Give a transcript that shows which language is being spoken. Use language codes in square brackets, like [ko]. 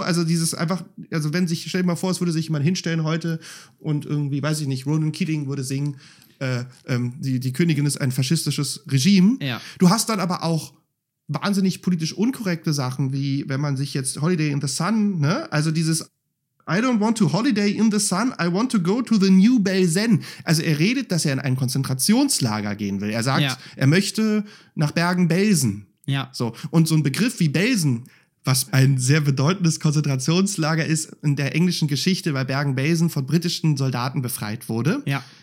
[de] Also dieses einfach, also wenn sich, stell dir mal vor, es würde sich jemand hinstellen heute und irgendwie, weiß ich nicht, Ronan Keating würde singen, die Königin ist ein faschistisches Regime. Ja. Du hast dann aber auch wahnsinnig politisch unkorrekte Sachen, wie wenn man sich jetzt Holiday in the Sun, ne? Also dieses [en] I don't want to holiday in the sun, I want to go to the new Belzen. [de] Also er redet, dass er in ein Konzentrationslager gehen will. Er sagt, ja, er möchte nach Bergen-Belsen. Ja. So. Und so ein Begriff wie Belsen, was ein sehr bedeutendes Konzentrationslager ist in der englischen Geschichte, weil Bergen-Belsen von britischen Soldaten befreit wurde. Ja.